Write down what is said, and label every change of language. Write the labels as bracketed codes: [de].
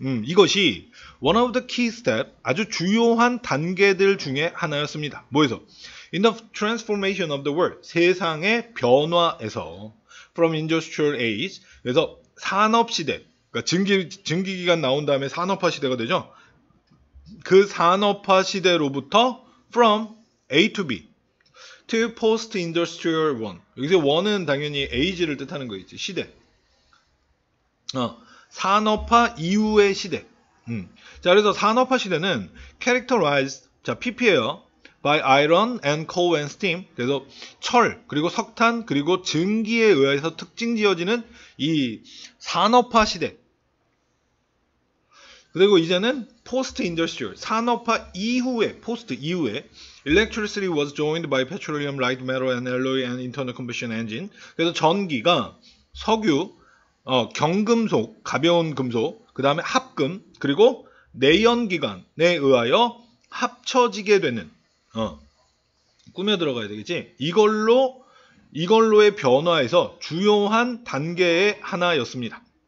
[ko] 이것이 [en] one of the key step, [ko] 아주 중요한 단계들 중에 하나였습니다. 뭐에서? [en] In the transformation of the world, [ko] 세상의 변화에서, [en] from industrial age, [ko] 그래서 산업 시대, 그러니까 증기기관 나온 다음에 산업화 시대가 되죠. 그 산업화 시대로부터 [en] from A to B. To post-industrial one. [ko] 여기서 one은 당연히 age를 뜻하는 거 있지. 시대. 산업화 이후의 시대. 자, 그래서 산업화 시대는 characterized, 자, PP예요. [en] By iron and coal and steam. [ko] 그래서 철, 그리고 석탄, 그리고 증기에 의해서 특징 지어지는 이 산업화 시대. 그리고 이제는 [en] post-industrial, [ko] 산업화 이후에, [en] post 이후에 electricity was joined by petroleum, light metal and alloy and internal combustion engine. [ko] 그래서 전기가 석유, 경금속, 가벼운 금속, 그 다음에 합금, 그리고 내연기관에 의하여 합쳐지게 되는, 꾸며 들어가야 되겠지? 이걸로의 변화에서 주요한 단계의 하나였습니다.